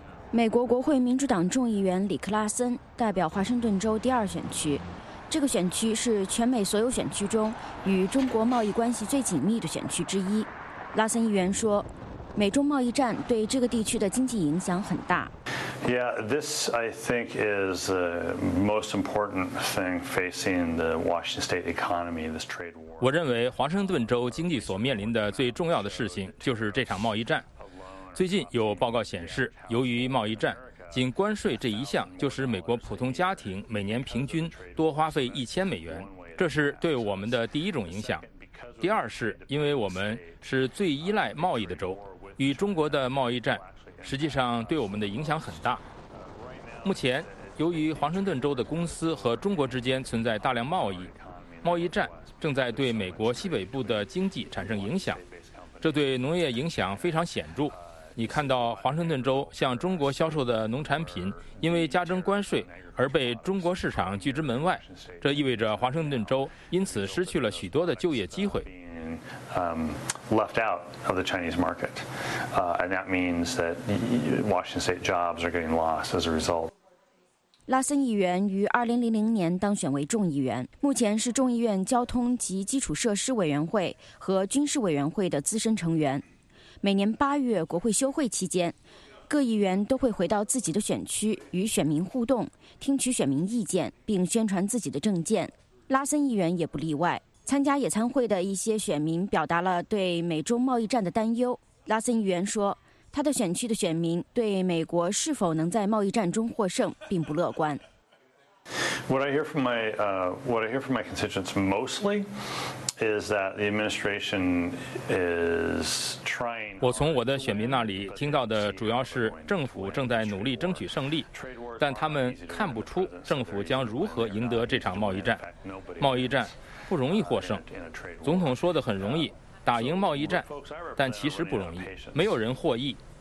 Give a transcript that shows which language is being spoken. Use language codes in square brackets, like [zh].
[zh] 美国国会民主党众议员里克·拉森代表华盛顿州第二选区，这个选区是全美所有选区中与中国贸易关系最紧密的选区之一。拉森议员说，美中贸易战对这个地区的经济影响很大。 [en] Yeah, this I think is the most important thing facing the Washington State economy, this trade war. [zh] 我认为华盛顿州经济所面临的最重要的事情就是这场贸易战。最近有报告显示，由于贸易战，仅关税这一项就使美国普通家庭每年平均多花费$1,000，这是对我们的第一种影响。第二是因为我们是最依赖贸易的州。与中国的贸易战实际上对我们的影响很大。目前由于华盛顿州的公司和中国之间存在大量贸易，贸易战正在对美国西北部的经济产生影响，这对农业影响非常显著。你看到华盛顿州向中国销售的农产品因为加征关税而被中国市场拒之门外，这意味着华盛顿州因此失去了许多的就业机会。 [en] Left out of the Chinese market, and that means that Washington State jobs are getting lost as a result. [zh] 拉森议员于2000年当选为众议员，目前是众议院交通及基础设施委员会和军事委员会的资深成员。每年八月国会休会期间，各议员都会回到自己的选区与选民互动，听取选民意见，并宣传自己的政见。拉森议员也不例外。参加野餐会的一些选民表达了对美中贸易战的担忧。拉森议员说，他的选区的选民对美国是否能在贸易战中获胜并不乐观。 [en] What I hear from my constituents mostly is that the administration is trying. [zh] 我从我的选民那里听到的主要是政府正在努力争取胜利，但他们看不出政府将如何赢得这场贸易战。贸易战不容易获胜，总统说得很容易，打赢贸易战，但其实不容易，没有人获益。